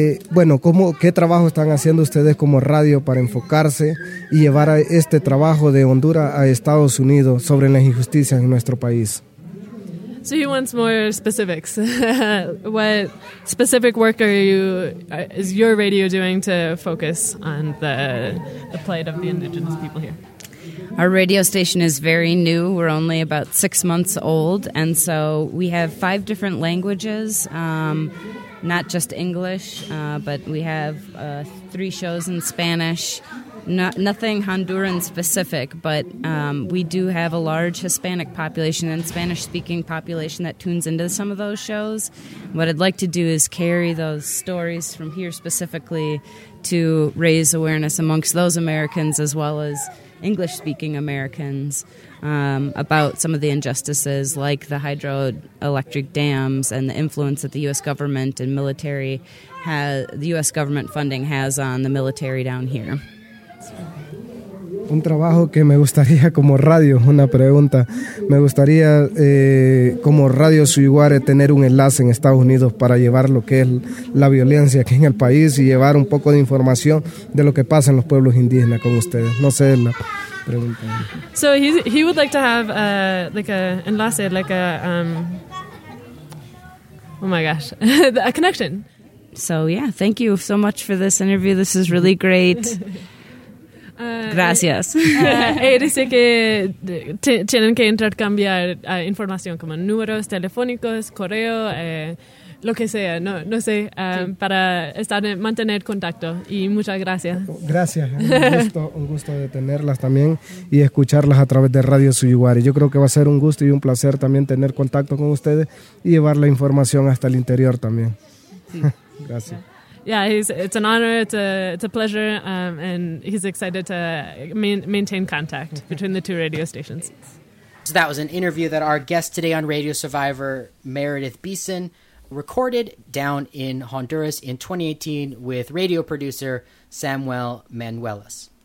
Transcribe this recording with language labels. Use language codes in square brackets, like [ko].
[es] Bueno, ¿cómo, qué trabajo están haciendo ustedes como radio para enfocarse y llevar a este trabajo de Honduras a Estados Unidos sobre las injusticias en nuestro país? [en] So he wants more specifics. What specific work are you, is your radio doing to focus on the plight of the indigenous people here? Our radio station is very new. We're only about 6 months old, and so we have 5 different languages. Not just English, but we have 3 shows in Spanish. Nothing Honduran specific, but we do have a large Hispanic population and Spanish-speaking population that tunes into some of those shows. What I'd like to do is carry those stories from here specifically to raise awareness amongst those Americans as well as English-speaking Americans about some of the injustices like the hydroelectric dams and the influence that the U.S. government and military has, the U.S. government funding has on the military down here. [es] Un trabajo que me gustaría como radio, una pregunta. Me gustaría como Radio Suyuguare tener un enlace en Estados Unidos para llevar lo que es la violencia aquí en el país y llevar un poco de información de lo que pasa en los pueblos indígenas con ustedes. No sé la pregunta. [en] So he would like to have like a enlace, like a oh my gosh, a connection. So yeah, thank you so much for this interview. This is really great. Gracias. [es] Dice que tienen que intercambiar información como números telefónicos, correo, lo que sea, no sé, sí. Para mantener contacto. Y muchas gracias. Gracias, un gusto de tenerlas también y escucharlas a través de Radio Suyuguare. Yo creo que va a ser un gusto y un placer también tener contacto con ustedes y llevar la información hasta el interior también. Sí. Gracias. [en] Yeah. Yeah, it's an honor, it's a pleasure, and he's excited to maintain contact between the two radio stations. So that was an interview that our guest today on Radio Survivor, Meredith Beeson, recorded down in Honduras in 2018 with radio producer Samuel Manuelis.